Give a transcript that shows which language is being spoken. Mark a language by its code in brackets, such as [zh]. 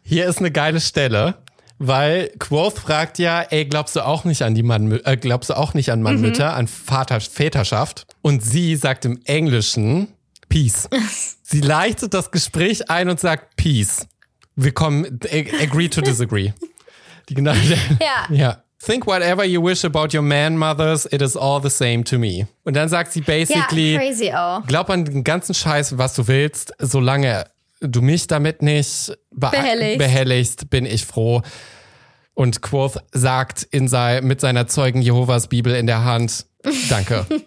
[de] Hier ist eine geile Stelle, weil Quoth fragt ja, ey, glaubst du auch nicht an die Mannmütter, an Väterschaft? Und sie sagt im Englischen Peace. Sie leitet das Gespräch ein und sagt Peace. Wir kommen, [en] agree to disagree. [de] Die genaue. Ja. [en] Think whatever you wish about your man mothers, it is all the same to me. [de] Und dann sagt sie basically, glaub an den ganzen Scheiß, was du willst, solange du mich damit nicht behelligst, bin ich froh. Und Quoth sagt mit seiner Zeugen Jehovas Bibel in der Hand, danke.